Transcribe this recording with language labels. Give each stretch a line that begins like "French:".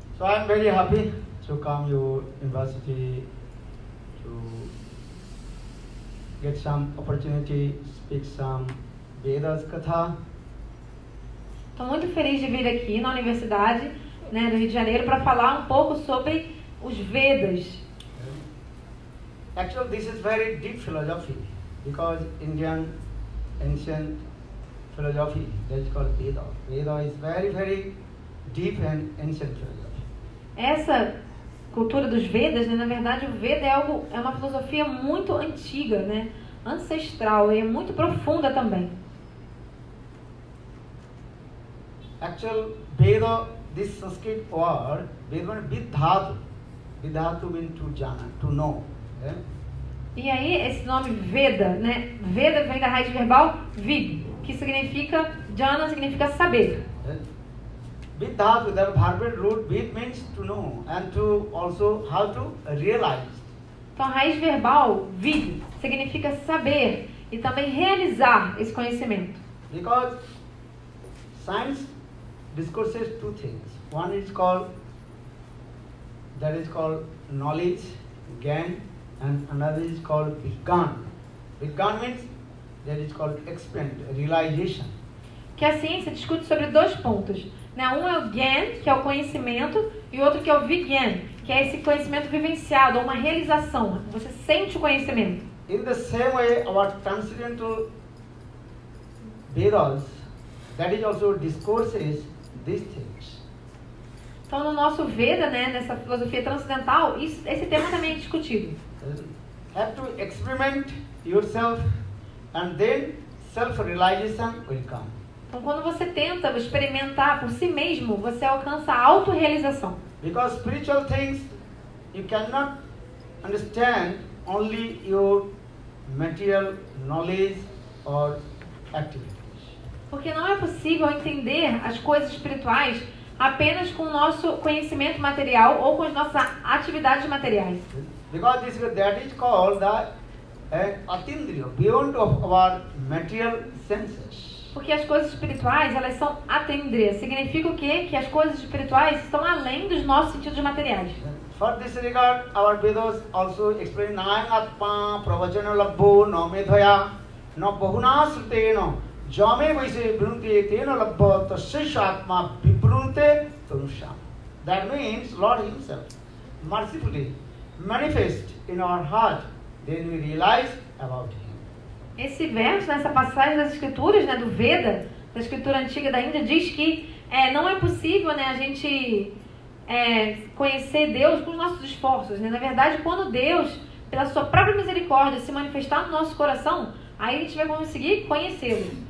English: So I'm very happy to come to university to get some opportunity speak some Vedas katha.
Portuguese: Estou muito feliz de vir aqui na Universidade, né, do Rio de Janeiro, para falar um pouco sobre os Vedas.
English: Actually, this is very deep philosophy, because Indian ancient philosophy that's called Veda. Veda is very, very deep and ancient philosophy.
Portuguese: Essa cultura dos Vedas, né, na verdade, o Veda é uma filosofia muito antiga, né, ancestral e muito profunda também.
English: Actual Veda, this Sanskrit word, Veda means Vidhatu. Vidhatu means to jana, to know.
Portuguese: E aí, esse nome Veda, né? Veda vem da raiz verbal Vid, que significa, jana significa saber.
English: Vidhatu, the verbal root Vid means to know and to also how to realize.
Portuguese: Então, a raiz verbal Vid significa saber e também realizar esse conhecimento.
English: Because science discourses two things. One is called, that is called knowledge, gyan, and another is called vigyan. Vigyan means, that is called experience, realization.
Portuguese: Que a ciência discute sobre dois pontos. Né? Um é o Gyan, que é o conhecimento, e outro que é o Vigyan, que é esse conhecimento vivenciado, ou uma realização. Você sente o conhecimento.
English: In the same way, our transcendental virals, that is also discourses these things.
Portuguese: Então, no nosso Veda, né, nessa filosofia transcendental, isso, esse tema também é discutido.
English: Have to experiment yourself, and then self-realization will come.
Portuguese: Então, quando você tenta experimentar por si mesmo, você alcança a auto-realização.
English: Because spiritual things, you cannot understand only your material knowledge or activities.
Portuguese: Porque não é possível entender as coisas espirituais apenas com o nosso conhecimento material ou com as nossas atividades materiais.
English: Because this that is called the atindriya, beyond of our material senses.
Portuguese: Porque as coisas espirituais, elas são atendria. Significa o quê? Que as coisas espirituais estão além dos nossos sentidos materiais.
English: For this regard, our Vedas also explain
Sanskrit: nayam atma pravachana labbho na medhaya na bahuna sruteno jame vaise vrunte teno labbho tasya atma vibrunte tanusham.
English: That means Lord himself mercifully manifest in our heart, then we realize about him.
Portuguese: Esse verso, nessa passagem das escrituras, né, do Veda, da escritura antiga da Índia, diz que não é possível, né, a gente conhecer Deus com os nossos esforços. Né? Na verdade, quando Deus, pela sua própria misericórdia, se manifestar no nosso coração, aí a gente vai conseguir conhecê-lo.